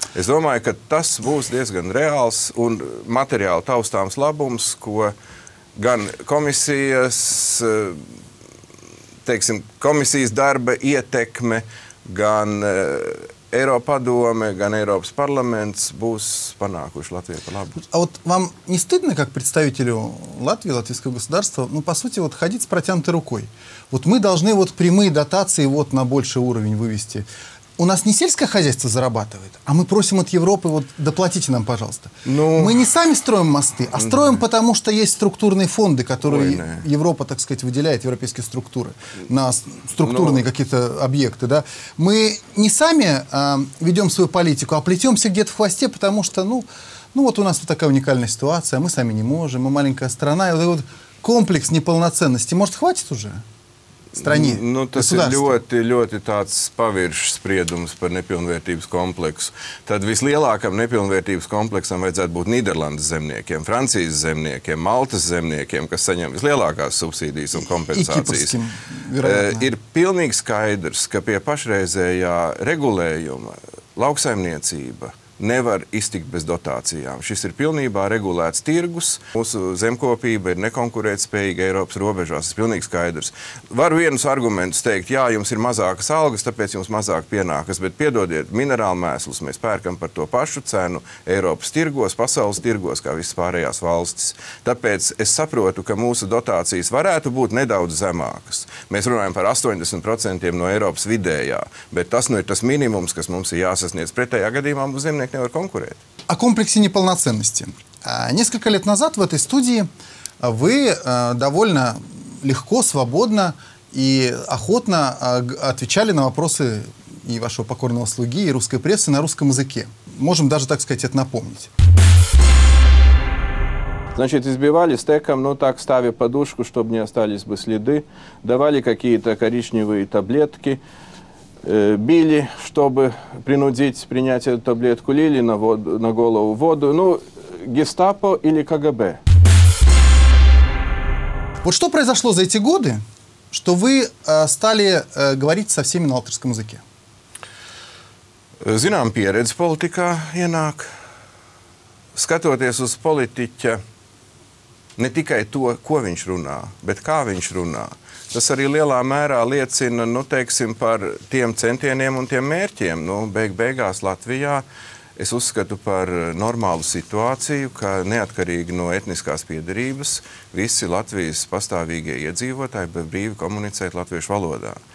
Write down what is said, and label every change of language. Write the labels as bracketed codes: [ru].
[lv] Es domāju, ka tas būs diezgan reāls un materiāli taustāms labums, ko gan komisijas, teiksim, komisijas darba ietekme, gan Eiropadome, gan Eiropas parlaments būs panākuši Latvijai par labu. [ru] А вот вам не стыдно, как представителю Латвии, латвийского государства, ну, по сути, вот ходить с протянутой рукой? Вот мы должны вот прямые дотации вот на больший уровень вывести. У нас не сельское хозяйство зарабатывает, а мы просим от Европы, вот доплатите нам, пожалуйста. Ну, мы не сами строим мосты, а строим, потому что есть структурные фонды, которые Европа, так сказать, выделяет, европейские структуры, на структурные какие-то объекты. Да? Мы не сами ведем свою политику, а плетемся где-то в хвосте, потому что, ну вот у нас вот такая уникальная ситуация, мы сами не можем, мы маленькая страна, и вот этот комплекс неполноценности, может, хватит уже? stranī. [lv] Nu, tas ir ļoti, ļoti tāds paviršs spriedums par nepilnvērtības kompleksu. Tad vislielākam nepilnvērtības kompleksam vajadzētu būt Nīderlandes zemniekiem, Francijas zemniekiem, Maltas zemniekiem, kas saņem vislielākās subsīdijas un kompensācijas. Ir pilnīgi skaidrs, ka pie pašreizējā regulējuma lauksaimniecība nevar iztikt bez dotācijām. Šis ir pilnībā regulēts tirgus. Mūsu zemkopība ir nekonkurētspējīga Eiropas robežās. Tas ir pilnīgi skaidrs. Varu vienus argumentus teikt, jā, jums ir mazākas algas, tāpēc jums mazāk pienākas, bet piedodiet, minerāli mēslus mēs pērkam par to pašu cenu Eiropas tirgos, pasaules tirgos, kā visas pārējās valstis. Tāpēc es saprotu, ka mūsu dotācijas varētu būt nedaudz zemākas. Mēs runājam par 80% no Eiropas vidējā, bet tas nu ir tas minimums, kas mums ir jāsasniedz pretējā gadījumā mums Zemniek nevar konkurēt. [ru] О комплексе неполноценности. Несколько лет назад в этой студии вы довольно легко, свободно и охотно отвечали на вопросы и вашего покорного слуги, и русской прессы на русском языке. Можем даже, так сказать, это напомнить. Значит, избивали стеком, ну так, ставя подушку, чтобы не остались бы следы, давали какие-то коричневые таблетки, били, чтобы принудить принять эту таблетку, лили на воду, на голову воду. Ну, гестапо или КГБ. Вот что произошло за эти годы, что вы стали говорить со всеми на латышском языке? Знам, перец политика, инак. Скатываясь из политика, не только то, ко винч руна, бет ка винч руна. [lv] Tas arī lielā mērā liecina, nu, teiksim, par tiem centieniem un tiem mērķiem. Nu, beigās Latvijā es uzskatu par normālu situāciju, ka neatkarīgi no etniskās piederības visi Latvijas pastāvīgie iedzīvotāji bija brīvi komunicēt latviešu valodā.